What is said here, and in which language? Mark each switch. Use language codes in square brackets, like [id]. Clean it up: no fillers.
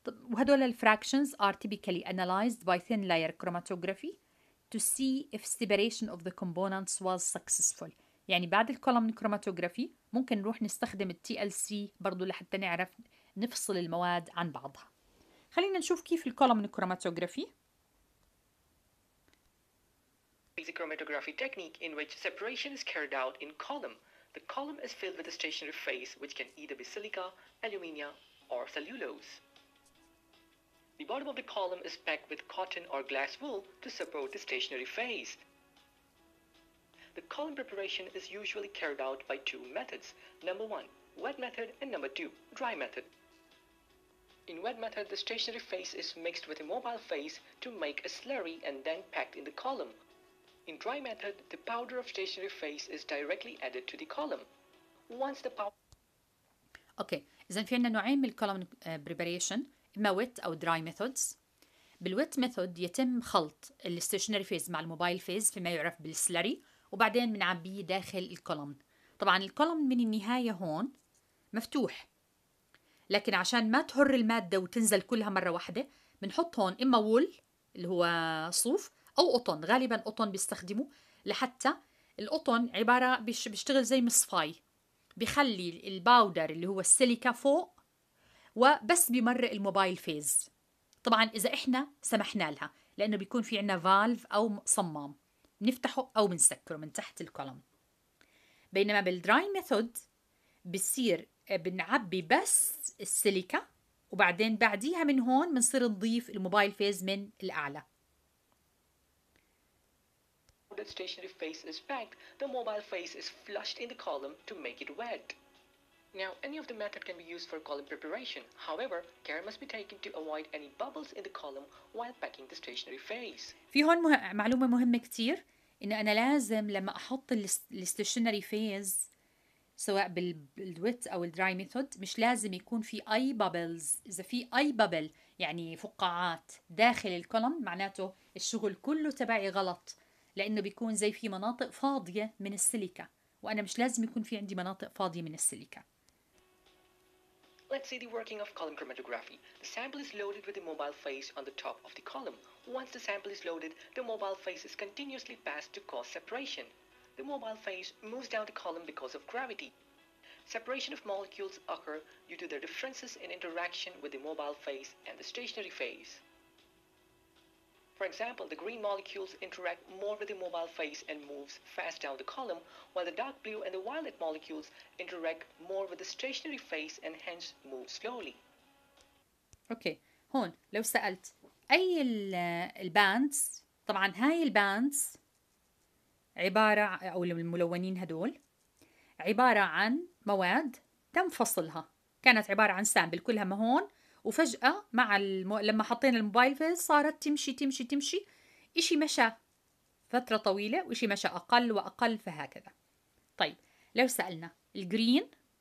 [ar] وهدول الفراكشنز [en] are typically analyzed by thin layer chromatography to see if separation of the components was successful. [ar] يعني بعد الكولومن كروماتوغرافي ممكن نروح نستخدم الـ TLC برضو لحتى نعرف نفصل المواد عن بعضها. خلينا نشوف كيف الكولومن كروماتوغرافي. [en] The chromatography technique in which separation is carried out in column. The column is filled with a stationary phase which can either be silica, alumina or cellulose. The bottom of the column is packed with cotton or glass wool to support the stationary phase. The column preparation is usually carried out by two methods. Number one, wet method, and number two, dry method. In wet method, the stationary phase is mixed with a mobile phase to make a slurry and then packed in the column. In dry method, the powder of stationary phase is directly added to the column. Once the powder... [ar] Okay, إذن في عنا نوعين من column preparation, إما wet أو dry methods. بالwet method يتم خلط الstationary phase مع الموبايل phase فيما يعرف بالسلري وبعدين منعبيه داخل الكولومن. طبعاً الكولومن من النهاية هون مفتوح، لكن عشان ما تهر المادة وتنزل كلها مرة واحدة بنحط هون إما وول اللي هو صوف أو قطن، غالباً قطن بيستخدمه، لحتى القطن عبارة بيشتغل زي مصفاي بيخلي الباودر اللي هو السيليكا فوق وبس بمرق الموبايل فيز. طبعاً إذا إحنا سمحنا لها، لأنه بيكون في عنا فالف أو صمام نفتحه أو بنسكره من تحت الكولوم. بينما بالدراي ميثود بيصير بنعبي بس السيليكا وبعدين بعديها من هون بنصير نضيف الموبايل فيز من الأعلى. [en] The stationary phase is packed, the mobile phase is flushed in the column to make it wet. Now, any of the method can be used for column preparation. However, care must be taken to avoid any bubbles in the column while packing the stationary phase. [ar] في هون معلومة مهمة كتير، إن أنا لازم لما أحط الستيشنري فيز سواء بالويت أو الدراي ميثود مش لازم يكون في أي بابلز. إذا في أي بابل يعني فقاعات داخل الكولوم معناته الشغل كله تبعي غلط، لأنه بيكون زي في مناطق فاضية من السيليكا وأنا مش لازم يكون في عندي مناطق فاضية من السيليكا. [en] Let's see the working of column chromatography. The sample is loaded with the mobile phase on the top of the column. Once the sample is loaded, the mobile phase is continuously passed to cause separation. The mobile phase moves down the column because of gravity. Separation of molecules occur due to their differences in interaction with the mobile phase and the stationary phase. For example, the green molecules interact more with the mobile phase and moves fast down the column, while the dark blue and the violet molecules interact more with the stationary phase and hence move slowly. [ar] Okay, هون لو سألت أي الباندز، طبعا هاي الباندز عبارة أو الملونين هدول عبارة عن مواد تم فصلها، كانت عبارة عن سامبل كلها ما هون، وفجأة مع لما حطينا الموبايل فيز صارت تمشي تمشي تمشي، إشي مشى فترة طويلة وإشي مشى أقل وأقل فهكذا. طيب لو سألنا الجرين